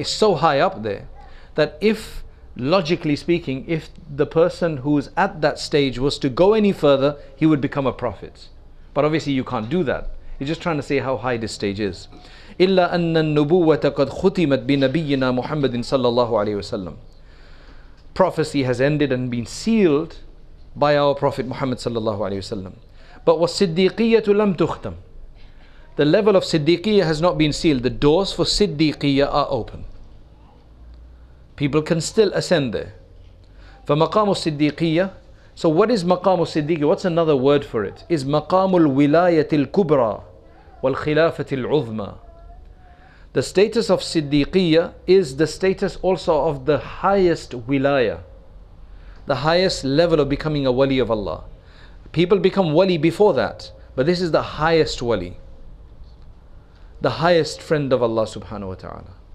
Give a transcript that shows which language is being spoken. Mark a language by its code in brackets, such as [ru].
[en] It's so high up there that if, logically speaking, if the person who's at that stage was to go any further, he would become a prophet. But obviously you can't do that. He's just trying to say how high this stage is. [ar] إِلَّا أَنَّ النُّبُوَّةَ قَدْ خُتِمَتْ بِنَبِيِّنَا مُحَمَّدٍ صَلَّى اللَّهُ عَلَيْهِ وَسَلَّمْ. [en] Prophecy has ended and been sealed by our Prophet Muhammad [ar] صلى الله عليه وسلم. But وَالصِّدِّيقِيَّةُ لَمْ تُخْتَمْ. [en] The level of siddiqiyya has not been sealed. The doors for siddiqiyya are open. People can still ascend there. [ar] فَمَقَامُ الصِّدِّيقِيَّةِ. [en] So what is [ar] مَقَامُ الصِّدِّيقِيَّةِ? [en] What's another word for it? [ar] Is مَقَامُ الْوِلَايَةِ الْكُبْرَى وَالْخِلَافَةِ الْعُظْمَى. [en] The status of siddiqiyya is the status also of the highest wilaya, the highest level of becoming a wali of Allah. People become wali before that, but this is the highest wali, the highest friend of Allah subhanahu wa ta'ala.